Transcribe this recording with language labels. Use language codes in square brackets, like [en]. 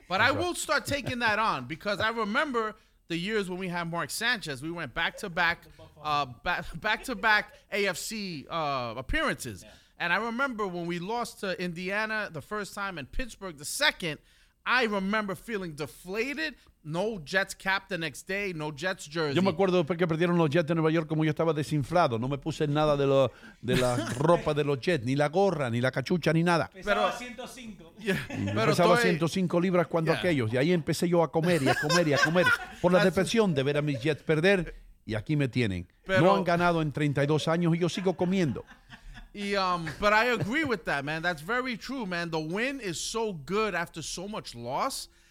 [en] But I will start taking that on because I remember the years when we had Mark Sanchez. We went back-to-back back-to-back AFC appearances. Yeah. And I remember when we lost to Indiana the first time and Pittsburgh the second, I remember feeling deflated. No Jets cap the next day, no Jets jersey. [es] Yo me acuerdo después que perdieron los Jets de Nueva York como yo estaba desinflado. No me puse nada de la ropa de los Jets, ni la gorra, ni la cachucha, ni nada. Pesaba 105. Pesaba 105 libras cuando aquellos. Y ahí empecé yo a comer y a comer y a comer. Por la depresión de ver a mis Jets perder. Y aquí me tienen. Pero, no han ganado en 32 años y yo sigo comiendo. [en] But I agree with that, man. That's very true, man. The win is so good after so much loss.